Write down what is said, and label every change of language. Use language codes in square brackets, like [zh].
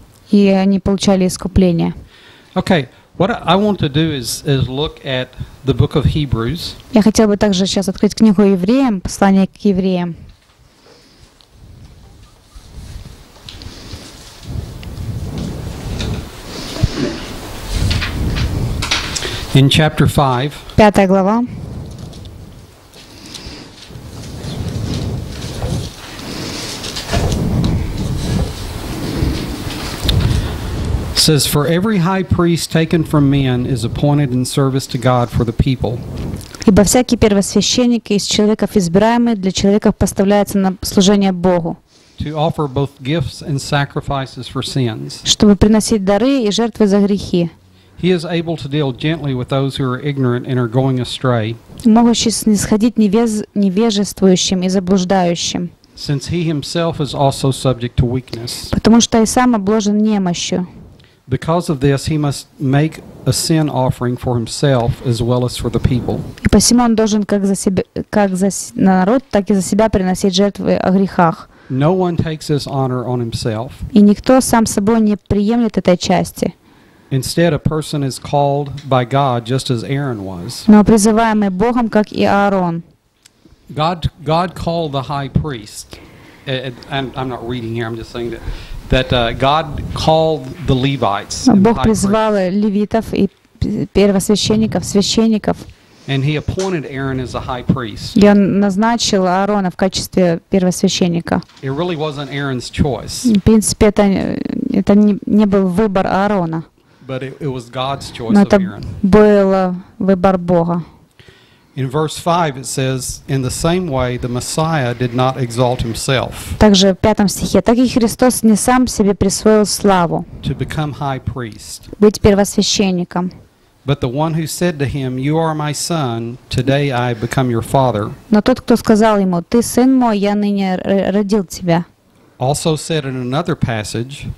[ru] И они получали искупление. [en] Okay. What I want to do is look at the book of Hebrews. [ru] Я хотел бы также сейчас открыть книгу Евреям, послание к Евреям. [en] In chapter 5. [ru] Пятая глава. [en] Says for every high priest taken from men is appointed in service to God for the people. [ru] Ибо всякий первосвященник из человеков избираемый для человеков поставляется на служение Богу. [en] To offer both gifts and sacrifices for sins. [ru] Чтобы приносить дары и жертвы за грехи. [en] He is able to deal gently with those who are ignorant and are going astray. [ru] Могущий снисходить невежествующим и заблуждающим. [en] Since he himself is also subject to weakness. [ru] Потому что и сам обложен немощью. [en] Because of this, he must make a sin offering for himself as well as for the people. [ru] И посему он должен как за народ, так и за себя приносить жертвы о грехах. [en] No one takes this honor on himself. [ru] И никто сам собой не приемлет этой части. [en] Instead, a person is called by God, just as Aaron was. [ru] Но призываемый Богом, как и Аарон. [en] God called the high priest, and I'm not reading here. I'm just saying that God called the Levites. [ru] Бог призвал левитов и первосвященников, священников. [en] And he appointed Aaron as a high priest. [ru] И он назначил Аарона в качестве первосвященника. [en] It really wasn't Aaron's choice. [ru] В принципе, это не был выбор Аарона. [en] But it was God's choice of Aaron. [ru] Но это был выбор Бога. [en] In verse 5 it says, in the same way the Messiah did not exalt himself. [ru] Также в пятом стихе, так и Христос не сам себе присвоил славу. [en] To become high priest. [ru] Быть первосвященником. [en] But the one who said to him, you are my son, today I become your father. [ru] Но тот, кто сказал ему, ты сын мой, я ныне родил тебя. [en] Also said in another passage.